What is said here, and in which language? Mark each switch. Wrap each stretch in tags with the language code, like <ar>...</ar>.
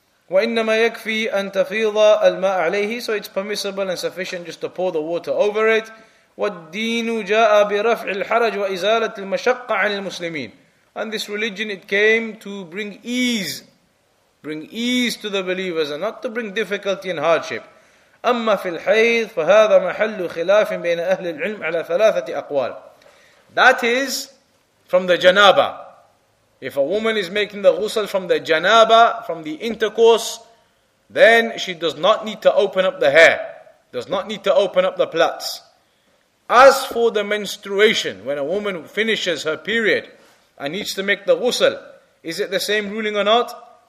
<ar>وَإِنَّمَا يَكْفِي أَن تَفِيضَ الْمَاءَ عَلَيْهِ.</ar> <en>So it's permissible and sufficient just to pour the water over it.</en> <ar>وَالدِّينُ جَاءَ بِرَفْعِ الْحَرَجِ وَإِزَالَةِ الْمَشَقَّ عَنِ الْمُسْلِمِينَ.</ar> <en>And this religion, it came to bring ease bring ease to the believers and not to bring difficulty and hardship.</en> <ar>أما في الحيض فهذا محل خلاف بين أهل العلم على ثلاثة أقوال.</ar> <en>That is from the janaba. If a woman is making the ghusl from the janaba, from the intercourse, then she does not need to open up the hair, does not need to open up the plaits. As for the menstruation, when a woman finishes her period and needs to make the ghusl, is it the same ruling or not?</en>